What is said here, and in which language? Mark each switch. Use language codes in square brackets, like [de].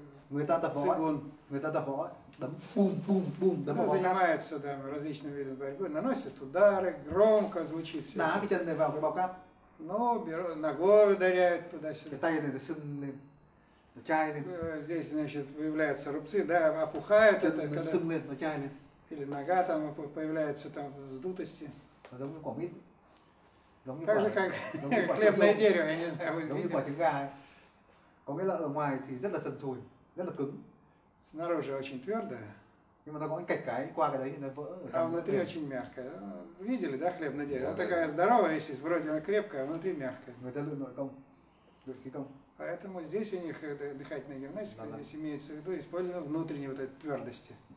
[vi] Người ta tập võ, đấm bùm bùm bùm, đấm vào bao cát. Họ làm [ru] различные виды борьбы, наносят удары, громко звучит все. [vi] Đá cái chân này vào cái bao cát. [ru] Но ногой ударяют туда-сюда. [vi] Tay này, chân này, chai này. [ru] Здесь, значит, появляются рубцы, да, опухают это. [vi] Chân này, chai này. [ru] Или нога там появляется там вздутости. [vi] Giống như quả mít. [ru] Так же, как хлебное дерево, я не знаю, вы видите. [vi] Có nghĩa là ở ngoài thì rất là trần trụi, rất là cứng. [ru] Снаружи очень твердое. [vi] Nhưng mà nó có cái cạch cái, qua cái đấy thì nó vỡ. [ru] А внутри очень мягкое. Видели, да, хлебное дерево? Она такая здоровая, если вроде она крепкая, а внутри мягкая. [vi] Người ta luyện nội công, luyện khí công. [ru] Поэтому здесь у них дыхательная гимнастика, здесь имеется в виду использование внутренней вот этой твердости.